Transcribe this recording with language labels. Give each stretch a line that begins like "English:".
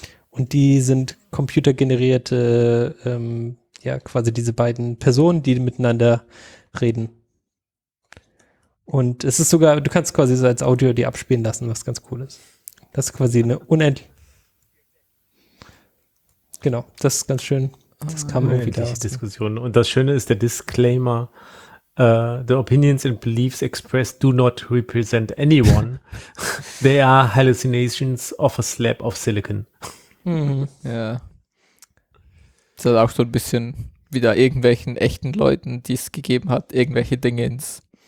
German: Und die sind computergenerierte, ja, quasi diese beiden Personen, die miteinander reden. Und es ist sogar, du kannst quasi so als Audio die abspielen lassen, was ganz cool ist. Das ist quasi eine unendliche. Genau, das ist ganz schön. Das kam irgendwie da aus. Diskussion. Und das Schöne ist der Disclaimer.
English: The opinions and beliefs expressed do not represent anyone. They are hallucinations of a slab of silicon.
German: Ja. Das ist auch so ein bisschen wieder irgendwelchen echten Leuten, die es gegeben hat, irgendwelche Dinge ins.